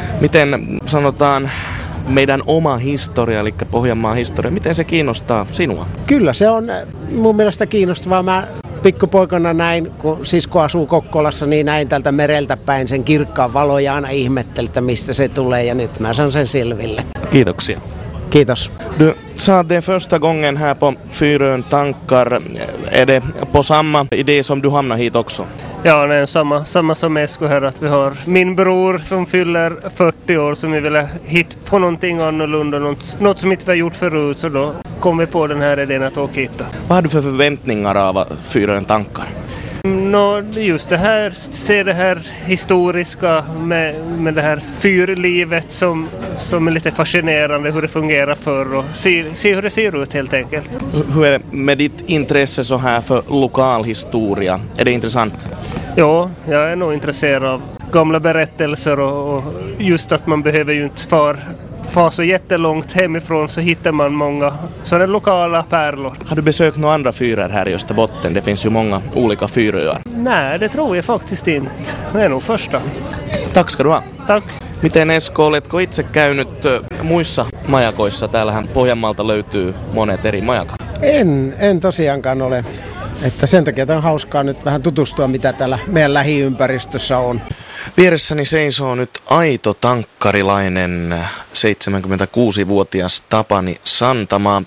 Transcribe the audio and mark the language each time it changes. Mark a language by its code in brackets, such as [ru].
[fi] Miten sanotaan meidän oma historia, eli Pohjanmaan historia, miten se kiinnostaa sinua? Kyllä se on mun mielestä kiinnostavaa. Mä pikkupoikana näin, kun sisko asuu Kokkolassa, niin näin tältä mereltä päin sen kirkkaan valo ja aina ihmettelin, että mistä se tulee ja nyt mä saan sen selville. Kiitoksia. Kiitos. [sv] Du sa den första gången här på Fyrön tankar, är det på samma idé som du hamnar hit också? Ja, det är samma som Esko här, att vi har min bror som fyller 40 år som vi ville hit på någonting annorlunda, något som inte vi har gjort förut, så då kom vi på den här idén att åka hit. Vad har du för förväntningar av Fyrön tankar? No, just det här, se det här historiska med det här fyrlivet som är lite fascinerande, hur det fungerar förr och se hur det ser ut helt enkelt. Hur är det med ditt intresse så här för lokal historia? Är det intressant? Ja, jag är nog intresserad av gamla berättelser och just att man behöver ju inte far så jättelångt hemifrån så hittar man många sådana lokala pärlor. Har du besökt några andra fyrar här i Österbotten? Det finns ju många olika fyröar. Nej, det tror jag faktiskt inte. Det är nog första. Tack ska du ha. Tack. [fi] Miten Esko, oletko itse käynyt muissa majakoissa? Täällähän Pohjanmaalta löytyy monet eri majakat. En tosiaankaan ole. Että sen takia tämä on hauskaa nyt vähän tutustua, mitä täällä meidän lähiympäristössä on. Vieressäni seisoo nyt aito tankkarilainen 76-vuotias Tapani Santamaa.